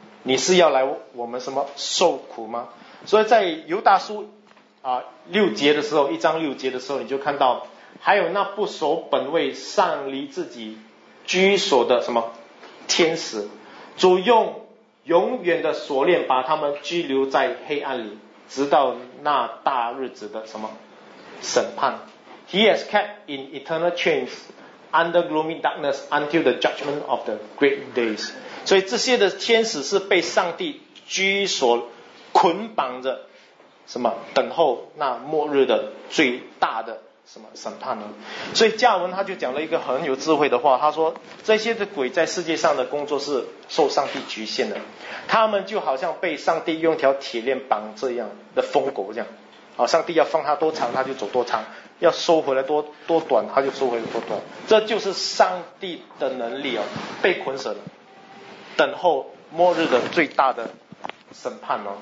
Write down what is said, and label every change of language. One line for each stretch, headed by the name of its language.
Chinese: 你是要来我们什么受苦吗？所以在犹大书6节的时候，1章6节的时候，你就看到还有那不守本位上离自己居所的什么天使，主用永远的锁链把他们拘留在黑暗里，直到那大日子的什么审判。
English: He has kept in eternal chains under gloomy darkness until the judgment of the great days。
Chinese: 所以这些的天使是被上帝拘锁捆绑着什么等候那末日的最大的什么审判呢？所以加尔文他就讲了一个很有智慧的话，他说这些的鬼在世界上的工作是受上帝局限的，他们就好像被上帝用条铁链绑这样的疯狗这样上帝要放他多长他就走多长，要收回来多短他就收回来多短，这就是上帝的能力被捆绳等候末日的最大的审判